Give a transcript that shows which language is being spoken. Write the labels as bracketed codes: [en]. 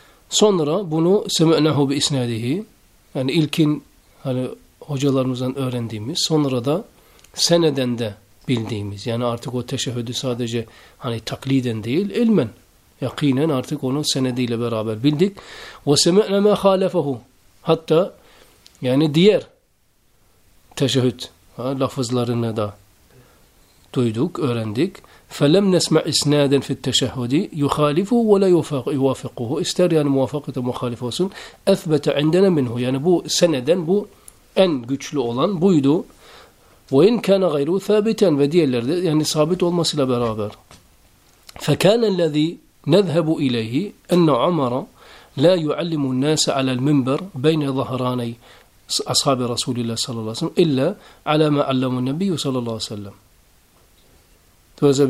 [tr] Sonra bunu [ar] semenehu bi isnadihi [tr] yani ilkin hani hocalarımızdan öğrendiğimiz sonra da seneden de bildiğimiz yani artık o teşehhüdü sadece hani takliden değil ilmen yakinen artık onun senediyle beraber bildik. [ar] Ve semene me halefehu [tr] hatta yani diğer teşehhüd lafızlarını da duyduk, öğrendik. [ar] فَلَمْ نَسْمَعْ اِسْنَادًا فِي التَّشَهُدِ يُخَالِفُهُ وَلَا يُوَافِقُهُ [tr] İster yani muvafakata muhalif olsun. [ar] اَثْبَتَ عِنْدَنَ مِنْهُ [tr] Yani bu seneden bu en güçlü olan buydu. [ar] وَاِنْ كَانَ غَيْرُهُ ثَابِتًا [tr] Ve diğerlerde yani sabit olmasıyla beraber. [ar] فَكَانَ الَّذ۪ي نَذْهَبُ اِلَيْهِ اَنَّ عَمَرَ لَا يُعَلِّمُ النَّاسَ عَلَى الْمِنْبَرِ بَيْنَ ظَهْرَانَيْ ashab-ı Resulullah sallallahu aleyhi ve sellem illa ala ma allamu nebi sallallahu aleyhi ve sellem.